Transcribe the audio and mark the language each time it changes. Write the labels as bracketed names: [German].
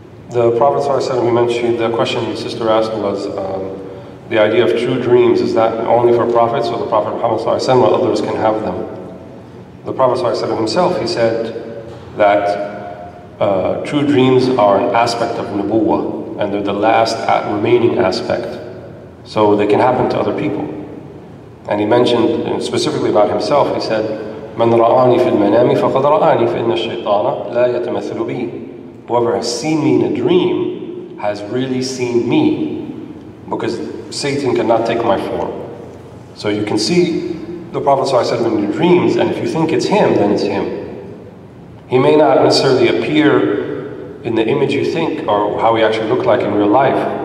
[English] The Prophet ﷺ, he mentioned, the question the sister asked was the idea of true dreams, is that only for prophets or the Prophet Muhammad ﷺ or others can have them? The Prophet ﷺ himself, he said that true dreams are an aspect of Nubuwwah, and they're the last remaining aspect. So they can happen to other people. [Arabic] And he mentioned specifically about himself, he said, مَنْ رَآنِي فِي الْمَنَامِ فَقَدْ رَآنِي فَإِنَّ الشَّيْطَانَ لَا يَتَمَثِلُ بِي. [English] Whoever has seen me in a dream has really seen me, because Satan cannot take my form. So you can see the Prophet ﷺ in your dreams, and if you think it's him, then it's him. He may not necessarily appear in the image you think or how he actually looked like in real life.